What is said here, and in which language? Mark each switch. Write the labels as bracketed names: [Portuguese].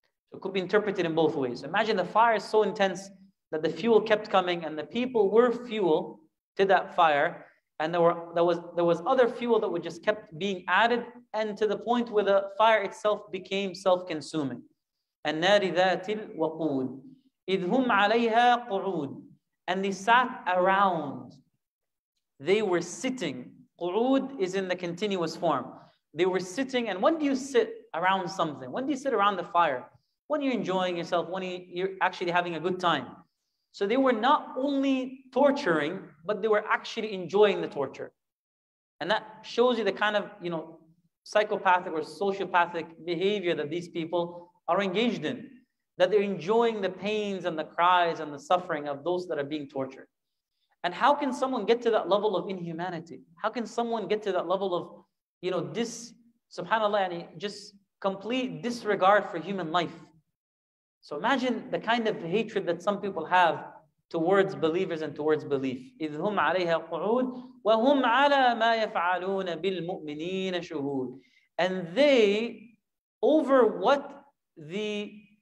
[English] So it could be interpreted in both ways. Imagine the fire is so intense that the fuel kept coming and the people were fuel to that fire. And there was other fuel that would just kept being added and to the point where the fire itself became self-consuming. [Arabic] النَّارِ ذَاتِ الْوَقُودِ إِذْ هُمْ عَلَيْهَا قُعُودِ [English] And they sat around. They were sitting. Qu'ud is in the continuous form. They were sitting. And when do you sit around something? When do you sit around the fire? When you're enjoying yourself, when you're actually having a good time. So they were not only torturing, but they were actually enjoying the torture. And that shows you the kind of, you know, psychopathic or sociopathic behavior that these people are engaged in. That they're enjoying the pains and the cries and the suffering of those that are being tortured. And how can someone get to that level of inhumanity? How can someone get to that level of, you know, this, subhanAllah, just complete disregard for human life? So imagine the kind of hatred that some people have towards believers and towards belief. [Arabic] إِذْ هُمْ عَلَيْهَا قُعُودِ وَهُمْ عَلَى مَا يَفْعَلُونَ بِالْمُؤْمِنِينَ شُهُودِ [English] And they, over what the...